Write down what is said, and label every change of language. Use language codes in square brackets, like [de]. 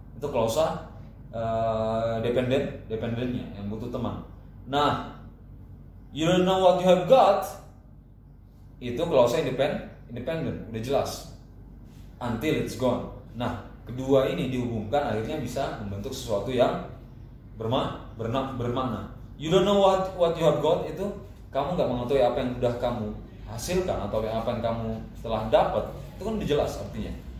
[id] Itu klausa dependennya yang butuh teman. [en] Nah, you don't know what you have got [id] itu klausa independen, udah jelas. [en] Until it's gone. [id] Nah, kedua ini dihubungkan akhirnya bisa membentuk sesuatu yang bermakna. [en] You don't know what you have got [id] itu kamu enggak mengetahui apa yang sudah kamu hasilkan atau apa yang kamu telah dapat. Itu kan udah jelas artinya.